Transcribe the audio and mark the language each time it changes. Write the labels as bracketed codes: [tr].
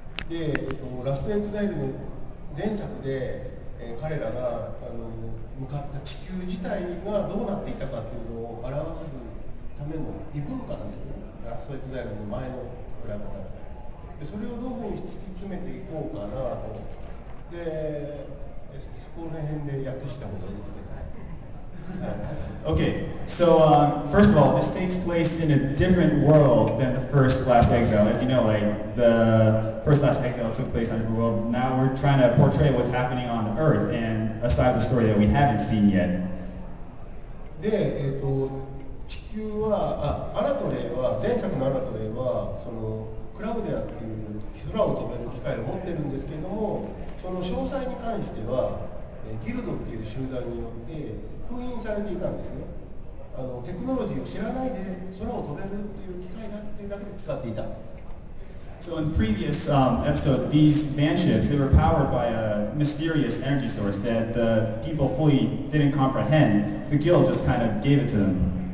[ja] で、ラストエクザイルの前作で、彼らが向かった地球自体がどうなっていたかっていうのを表すための異文化なんですね。ラストエクザイルの前のプラットフォーム。で、それをどういうふうに突き詰めていこうかなと。で、そこら辺で訳した方がいいですね。 [en] Okay, so first of all, this takes place in a different world than the first Last Exile. As you know, like the first Last Exile took place in a different world. Now we're trying to portray what's happening on the Earth and a side of the story that we haven't seen yet. [ja] で、地球は、アラトレは、前作のアラトレは、そのクラウデアっていう空を飛べる機械を持ってるんですけれども、その詳細に関しては、ギルドっていう集団によって、封印されていたんですね。テクノロジーを知らないで空を飛べるという機械だっていうだけで使っていた。 [en] So in the previous episode, these manships, they were powered by a mysterious energy source that the people fully didn't comprehend. The guild just kind of gave it to them.